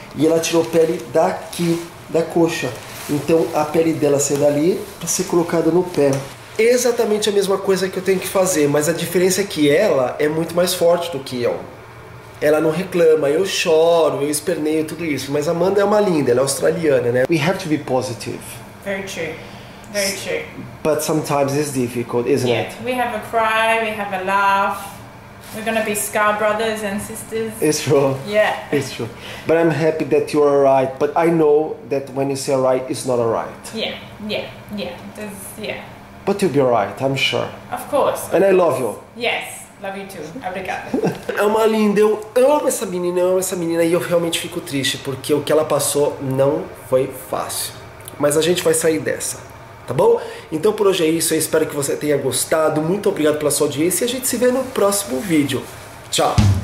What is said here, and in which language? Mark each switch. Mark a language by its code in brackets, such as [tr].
[pt] E ela tirou pele daqui, da coxa. Então a pele dela sai dali para ser colocada no pé. Exatamente a mesma coisa que eu tenho que fazer, mas a diferença é que ela é muito mais forte do que eu. Ela não reclama, eu choro, eu esperneio, tudo isso. Mas a Amanda é uma linda, ela é australiana, né? [en] We have to be positive. Very true. Very true. But sometimes it's difficult, isn't it? We have a cry, we have a laugh. We're gonna be scar brothers and sisters. It's true. Yeah. It's true. But I'm happy that you are alright. But I know that when you say alright, it's not alright. Yeah. But you'll be alright, I'm sure. Of course. And I love you. Yes. Love you too. [pt] Obrigada. É uma linda. Eu amo essa menina, eu amo essa menina. E eu realmente fico triste, porque o que ela passou não foi fácil. Mas a gente vai sair dessa. Tá bom? Então por hoje é isso, eu espero que você tenha gostado, muito obrigado pela sua audiência e a gente se vê no próximo vídeo. Tchau!